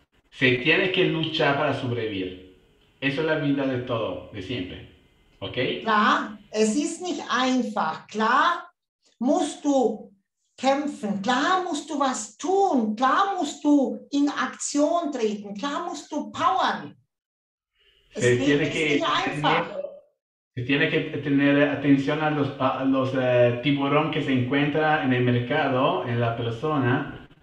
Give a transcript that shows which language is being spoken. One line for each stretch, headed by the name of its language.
Spanish: Se tiene que luchar para sobrevivir. Eso es la vida de todo, de siempre. ¿Ok?
German: Klar, es ist nicht einfach. Klar, musst du kämpfen, klar musst du was tun, klar musst du in Aktion treten, klar musst du powern. Das Leben ist nicht einfach.
Spanish: Se tiene que tener atención a los tiburón que se encuentra en el mercado, en la persona.